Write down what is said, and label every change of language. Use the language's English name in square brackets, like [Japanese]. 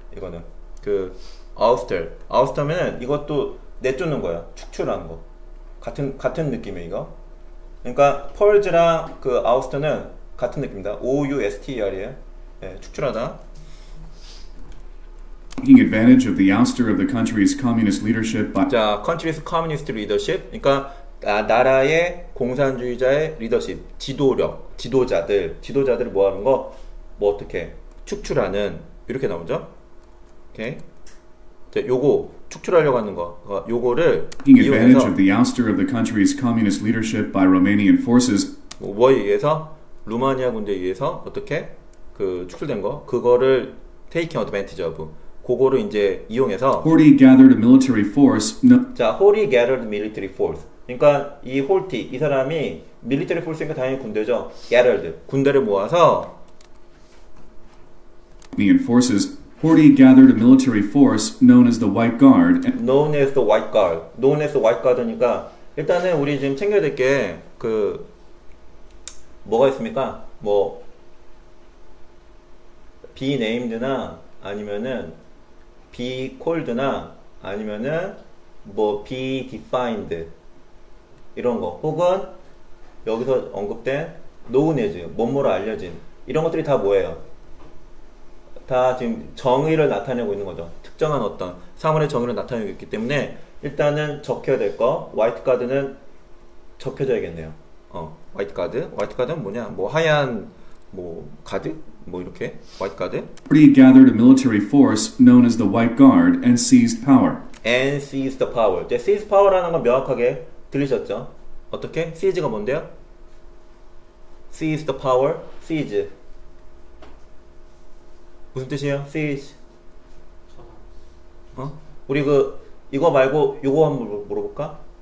[Korean] 이거는 그 ouster면은 이것도 내쫓는 거야. 축출하는 거 같은 느낌이에요, 이거. 그러니까 펄즈랑 그 아우스터는 같은 느낌이다. O-U-S-T-E-R이에요. 예, 축출하다. [English] Taking advantage of the ouster of the country's communist leadership by 자, country's communist leadership. [Korean] 그러니까 나라의 공산주의자의 리더십, 지도력, 지도자들을 뭐 하는 거? 뭐 어떻게? 축출하는 이렇게 나오죠? 오케이. 자, 요거 축출하려고 하는 거. 요거를 [English] Taking advantage of the ouster of the country's communist leadership by Romanian forces. [Korean] 뭐에 의해서 루마니아 군대에 의해서 어떻게 그 축출된 거? 그거를 [English] taking advantage of. [Korean] 그거를 이제 이용해서 [English] Horthy gathered a military force. No. 자, Horthy gathered military force. [Korean] 그러니까 이 홀티 이 사람이 military force니까 당연히 군대죠. Gathered 군대를 모아서 [English] Romanian forces. Horthy gathered a military force known as the White Guard. Known as the White Guard. [Korean] Known as the White Guard니까 일단은 우리 지금 챙겨야 될 게 그 뭐가 있습니까? 뭐 be named나 아니면은 be called나 아니면은 뭐 be defined 이런 거 혹은 여기서 언급된 known as 뭐뭐로 알려진 이런 것들이 다 뭐예요? 다 지금 정의를 나타내고 있는 거죠. 특정한 어떤 사물의 정의를 나타내고 있기 때문에 일단은 적혀야 될 거 white guard는 적혀져야겠네요. white guard. white guard는 뭐냐? 뭐 하얀 뭐 가드? 뭐 이렇게 white guard. [English] Horthy gathered a military force known as the White Guard and seized power. And seized the power. [Korean] 이제 seize power라는 건 명확하게 들리셨죠? 어떻게? [English] seize가 뭔데요? Seize the power. Seize. [Korean] 무슨 뜻이에요? Seize. 우리 그 이거 말고 이거 한번 물어볼까?